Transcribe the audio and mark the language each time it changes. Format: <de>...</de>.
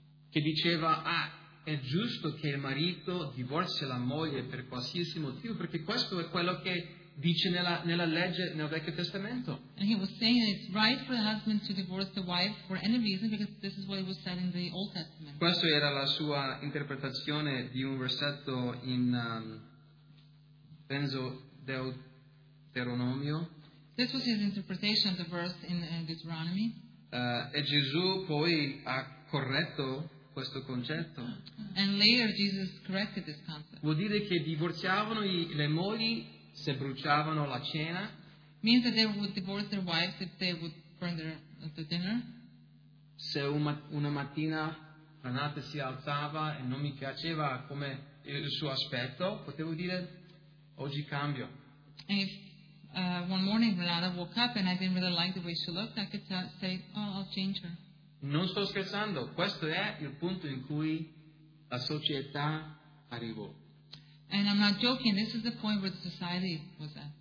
<it>Che diceva: ah, è giusto che il marito divorzi la moglie per qualsiasi motivo, perché questo è quello che dice nella legge nel Vecchio Testamento.</it> <en>And he was saying it's right for the husband to divorce the wife for any reason because this is what it was said in the Old Testament.</en> <it>Questo era la sua interpretazione di un versetto in penso Deuteronomio.</it> <en>This was his interpretation of the verse in Deuteronomy.</en> <it>E Gesù poi ha corretto questo concetto.</it> <en>And later Jesus corrected this concept.</en> <it>Vuol dire che divorziavano le mogli se bruciavano la cena.</it> <en>Means that they would divorce their wives if they would burn the dinner.</en> <it>Se una mattina la notte si alzava e non mi piaceva come il suo aspetto, potevo dire oggi cambio.</it> <en>And if one morning Renata woke up and I didn't really like the way she looked, I could say, oh, I'll change her.</en> <it>Non sto scherzando, questo è il punto in cui la società arrivò.</it> <en>And I'm not joking, this is the point where the society was at.</en>